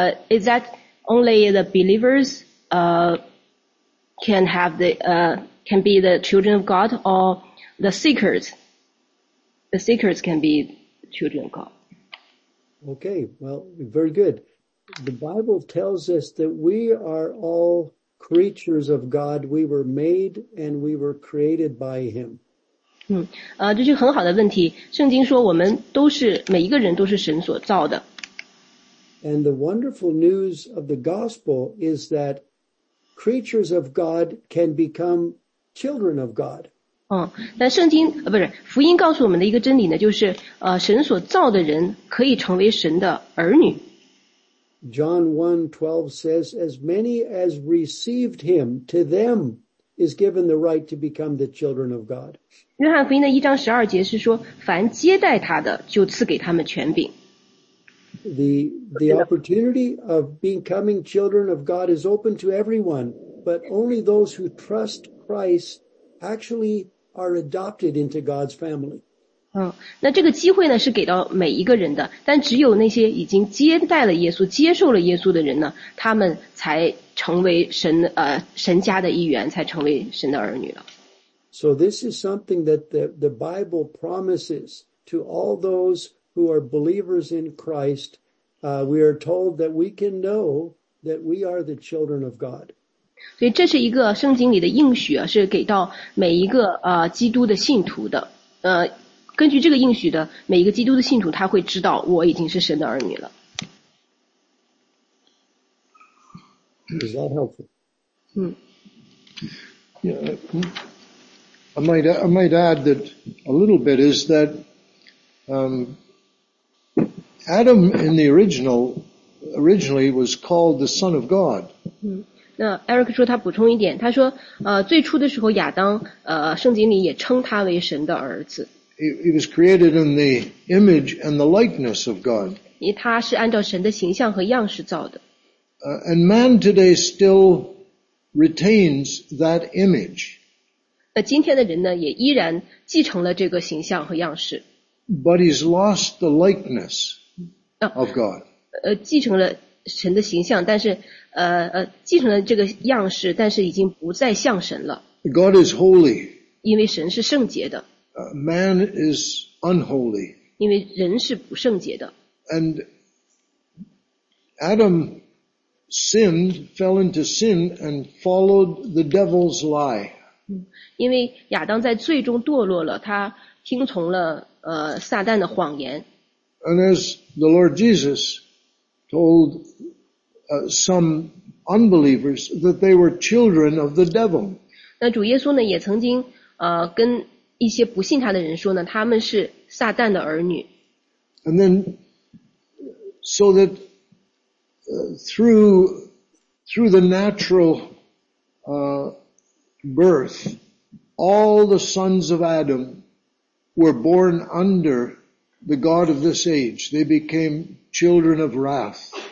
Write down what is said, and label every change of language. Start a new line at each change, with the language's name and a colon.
English: Is that only the believers can have can be the children of God, or the seekers can be children of God? Okay, well, very good. The Bible tells us that we are all creatures of God. We were made and we were created by Him.
Chinese: 这是很好的问题。圣经说我们都是，每一个人都是神所造的。
English: And the wonderful news of the gospel is that creatures of God can become children of God.
Chinese: 但圣经不是福音告诉我们的一个真理呢，就是神所造的人可以成为神的儿女。
English: John 1:12 says, "As many as received him, to them is given the right to become the children of God."
Chinese: 约翰福音的一章十二节是说，凡接待他的，就赐给他们权柄。
English: The opportunity of becoming children of God is open to everyone, but only those who trust Christ actually. Are adopted into God's family.
Chinese: 那这个机会呢是给到每一个人的，但只有那些已经接待了耶稣、接受了耶稣的人呢，他们才成为神家的一员，才成为神的儿女了。
English: So this is something that the Bible promises to all those who are believers in Christ. We are told that we can know that we are the children of God.
Chinese: 所以这是一个圣经里的应许，是给到每一个基督的信徒的。根据这个应许的每一个基督的信徒，他会知道我已经是神的儿女了。
English: Is that helpful? Yeah, I might add that a little bit is that Adam in the originally was called the son of God.
Chinese: 那 Eric 说他补充一点，他说最初的时候亚当圣经里也称他为神的儿子。
English: He was created in the image and the likeness of God.
Chinese: 因为他是按照神的形象和样式造的。
English: And man today still retains that image.
Chinese: 那今天的人呢也依然继承了这个形象和样式。
English: But he's lost the likeness of God.
Chinese: 继承了神的形象，但是继承了这个样式，但是已经不再像神了。
English: God is holy.
Chinese: 因为神是圣洁的。
English: Man is unholy.
Chinese: 因为人是不圣洁的。
English: And Adam sinned, fell into sin, and followed the devil's lie.
Chinese: 因为亚当在罪中堕落了，他听从了撒旦的谎言。
English: And as the Lord Jesus told some unbelievers that they were children of the devil.
Chinese: 那主耶稣呢也曾经跟一些不信他的人说呢，他们是撒旦的儿女。
English: And then, so that through the natural birth, all the sons of Adam were born under the God of this age. They became children of wrath.